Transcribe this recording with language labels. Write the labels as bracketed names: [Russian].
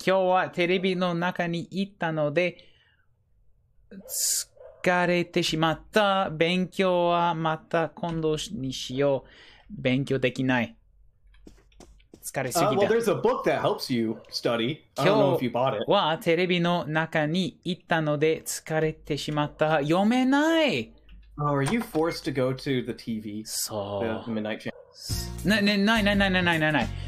[Japanese] 今日はテレビの中にいたので 疲れてしまった。勉強はまた今度にしよう。勉強できない。 [English] Well, there's a book that helps you study. I don't know if you bought it. [Japanese] 今日はテレビの中にいたので疲れてしまった。読めない。 [English] Oh, are you forced to go to the TV? So... The midnight channel? [Japanese] ないないないないないないない。